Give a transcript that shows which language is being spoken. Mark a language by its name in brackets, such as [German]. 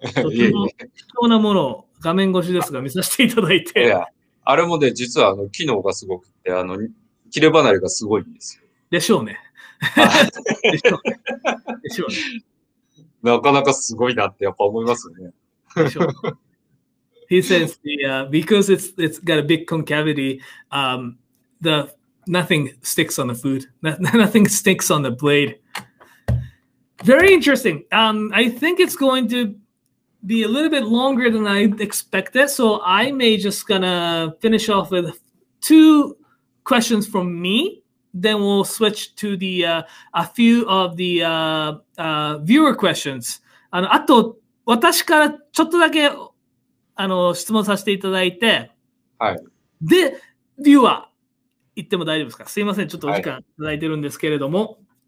[Japanese] とても貴重なものを画面越しですが見させていただいて。いや、あれもね、実は機能がすごくて、切れ離れがすごいんですよ。でしょうね。なかなかすごいなってやっぱ思いますよね。 [English] He says, because it's got a big concavity, nothing sticks on the food. Nothing sticks on the blade. Very interesting. I think it's going to be a little bit longer than I expected. So I may just gonna finish off with two questions from me. Then we'll switch to the, a few of the, viewer questions. [Japanese] あと、私からちょっとだけ、質問させていただいて。はい。で、ビューアー、言っても大丈夫ですか？すいません。ちょっとお時間いただいてるんですけれども。